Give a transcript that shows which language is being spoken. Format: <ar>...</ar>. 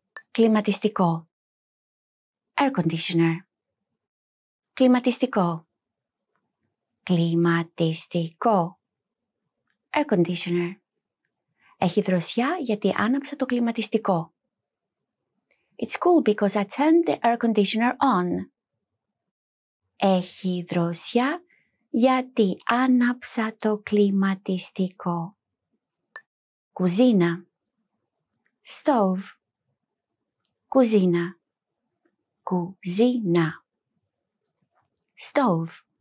<el>Κλιματιστικό.</el> <en>Air conditioner.</en> <el>Κλιματιστικό. Κλιματιστικό.</el> <en>Air conditioner.</en> <el>Έχει δροσιά γιατί άναψα το κλιματιστικό.</el> <en>It's cool because I turned the air conditioner on.</en> <el>Έχει δροσιά γιατί άναψα το κλιματιστικό. Κουζίνα.</el> <en>Stove.</en> <el>Κουζίνα. Κουζίνα.</el> <en>Stove.</en>